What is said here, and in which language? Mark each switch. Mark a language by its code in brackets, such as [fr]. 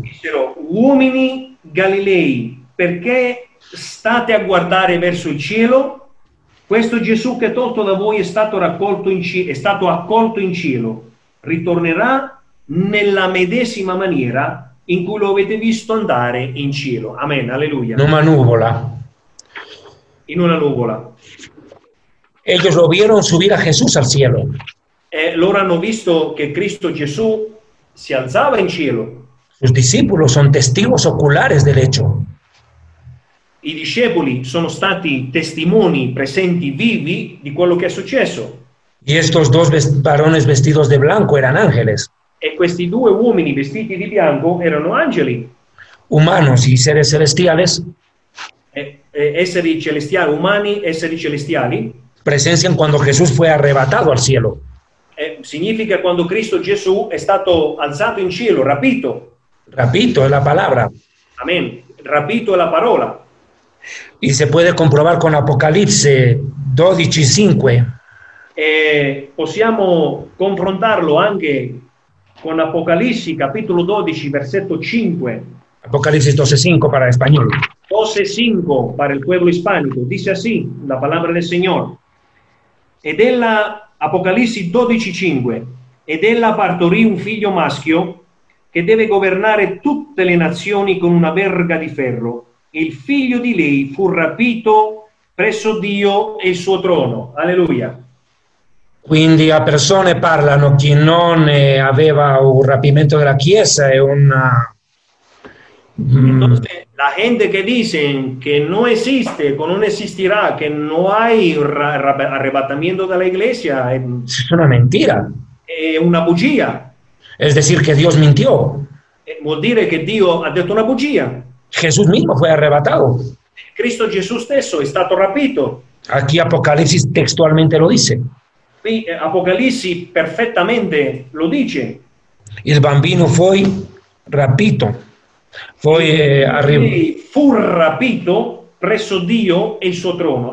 [it] Dissero: uomini Galilei, perché state a guardare verso il cielo? Questo Gesù che è tolto da voi è stato accolto in cielo, ritornerà nella medesima maniera in cui lo avete visto andare in cielo. Amen, alleluia. In una nuvola. In una nuvola. [es] Ellos lo vieron subir a Jesús al cielo. [it] Loro hanno visto [es] que [it] Cristo Gesù si [es] alzaba en cielo. Sus discípulos son testigos oculares del hecho. [it] I discepoli sono stati testimoni presenti vivi di quello che è successo. [es] Y estos dos varones vestidos de blanco eran ángeles. [it] E questi due uomini vestiti di bianco erano angeli. [es] Humanos y seres celestiales. [it] Esseri celestiali, umani, esseri celestiali. [es] Presencian cuando Jesús fue arrebatado al cielo. Significa cuando Cristo Jesús es [it] stato [es] alzado en cielo, rapito. Rapito es la palabra. Amén. Rapito es la palabra. Y se puede comprobar con Apocalipsis 12:5. [it] Possiamo confrontarlo anche con Apocalipsis, capítulo 12, versetto 5. [es] Apocalipsis 12:5 para español. 12:5 para el pueblo hispánico. Dice así la palabra del Señor. [it] Ed ella, Apocalisse 12:5, ed ella partorì un figlio maschio che deve governare tutte le nazioni con una verga di ferro. Il figlio di lei fu rapito presso Dio e il suo trono. Alleluia. Quindi a persone parlano chi non aveva un rapimento della Chiesa e una... [es] Entonces, la gente que dice que no existe, que no existirá, que no hay arrebatamiento de la iglesia, es una mentira. Es una bugia. Es decir, que Dios mintió. [it] Vuol dire [es] que Dios ha dicho [it] una bugia. [es] Jesús mismo fue arrebatado. [it] Cristo Jesús stesso es stato rapito. [es] Aquí Apocalipsis textualmente lo dice. Sí, Apocalipsis perfectamente lo dice. [it] El bambino fue rapito. Poi arriva. Fu rapito presso Dio e il suo trono.